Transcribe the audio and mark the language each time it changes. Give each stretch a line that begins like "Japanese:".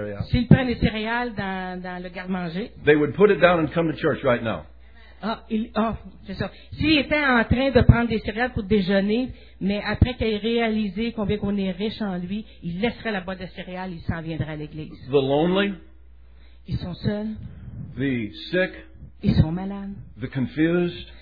French: s'ils prennent les céréales dans le garde-manger,
English: they would put it down and come to church right now.
French: C'est ça. S'ils étaient en train de prendre des céréales pour déjeuner, mais après qu'ils aient réalisé combien qu'on est riche en lui, ils laisseraient la boîte de céréales, ils s'en viendraient à l'église.
English: The lonely,
French: ils sont seuls.
English: The sick,
French: ils sont malades.
English: The confused,